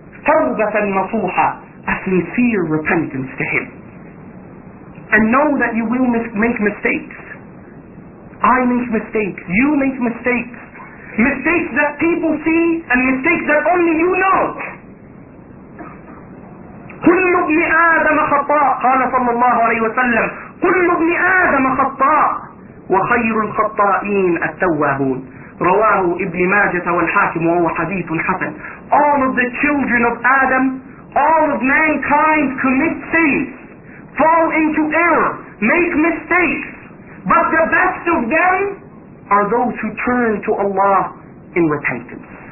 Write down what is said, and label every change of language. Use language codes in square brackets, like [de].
[ar] تَوْبَةً نَصُوحًا [en] A sincere repentance to Him. And know that you will make mistakes. I make mistakes. You make mistakes. Mistakes that people see and mistakes that only you know. [ar] كل ابن آدم خطاء قال صلى الله عليه وسلم كل ابن آدم خطاء وخير الخطائين التوابون رواه ابن ماجة والحاكم وهو حديث حسن. [en] All of the children of Adam, all of mankind commit sins. Fall into error, make mistakes, but the best of them are those who turn to Allah in repentance.